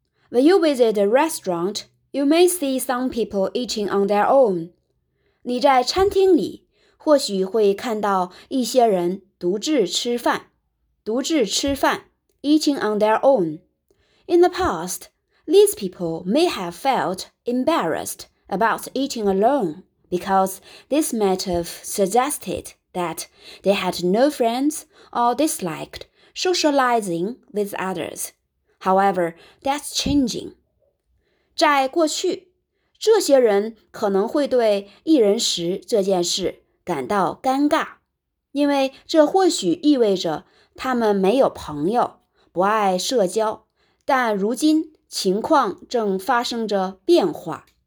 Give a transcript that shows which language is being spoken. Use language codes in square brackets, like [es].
[en] When you visit a restaurant, you may see some people eating on their own. [zh] 你在餐厅里或许会看到一些人独自吃饭。独自吃饭 [en] eating on their own. In the past, these people may have felt embarrassed about eating alone because this might have suggested that they had no friends or disliked socializing with others. However, that's changing. [zh] 在过去，这些人可能会对一人食这件事感到尴尬，因为这或许意味着他们没有朋友，不爱社交，但如今情况正发生着变化。